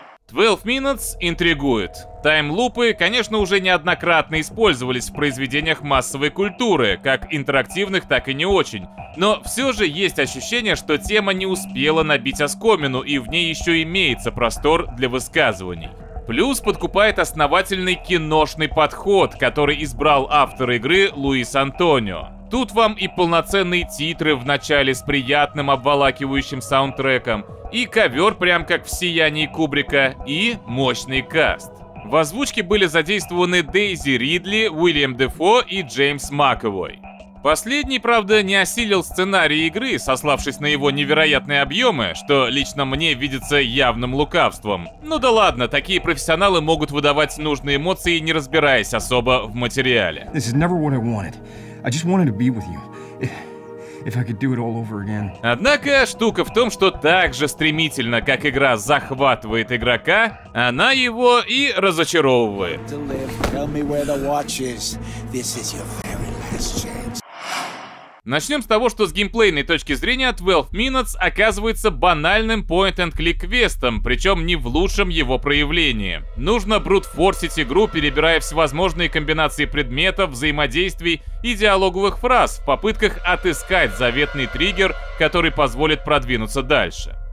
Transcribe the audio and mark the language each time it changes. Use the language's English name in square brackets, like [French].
[Russian] Twelve Minutes интригует. Тайм-лупы, конечно, уже неоднократно использовались в произведениях массовой культуры, как интерактивных, так и не очень. Но все же есть ощущение, что тема не успела набить оскомину, и в ней еще имеется простор для высказываний. Плюс подкупает основательный киношный подход, который избрал автор игры Луис Антонио. Тут вам и полноценные титры в начале с приятным обволакивающим саундтреком, и ковер прям как в «Сиянии Кубрика», и мощный каст. В озвучке были задействованы Дейзи Ридли, Уильям Дефо и Джеймс Макэвой. Последний, правда, не осилил сценарий игры, сославшись на его невероятные объемы, что лично мне видится явным лукавством. Ну да ладно, такие профессионалы могут выдавать нужные эмоции, не разбираясь особо в материале. [English] This is never what I wanted. I just wanted to be with you. If I could do it all over again. [Russian] Однако штука в том, что так же стремительно, как игра захватывает игрока, она его и разочаровывает. [English] Tell me where the watch is. This is your very last chance. [Russian] Начнем с того, что с геймплейной точки зрения 12 Minutes оказывается банальным point-and-click квестом, причем не в лучшем его проявлении. Нужно брутфорсить игру, перебирая всевозможные комбинации предметов, взаимодействий и диалоговых фраз в попытках отыскать заветный триггер, который позволит продвинуться дальше.